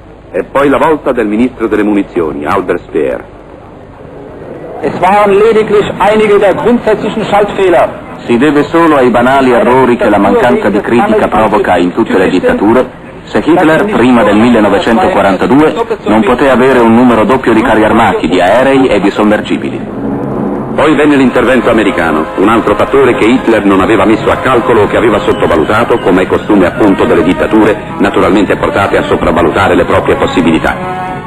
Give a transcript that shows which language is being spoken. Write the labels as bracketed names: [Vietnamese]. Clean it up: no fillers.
[Italian] E poi la volta del ministro delle munizioni, Albert Speer. [German] Es waren lediglich einige der grundsätzlichen Schaltfehler. [Italian] Si deve solo ai banali errori che la mancanza di critica provoca in tutte le dittature, se Hitler prima del 1942 non poté avere un numero doppio di carri armati, di aerei e di sommergibili. Poi venne l'intervento americano, un altro fattore che Hitler non aveva messo a calcolo o che aveva sottovalutato, come è costume appunto delle dittature, naturalmente portate a sopravvalutare le proprie possibilità.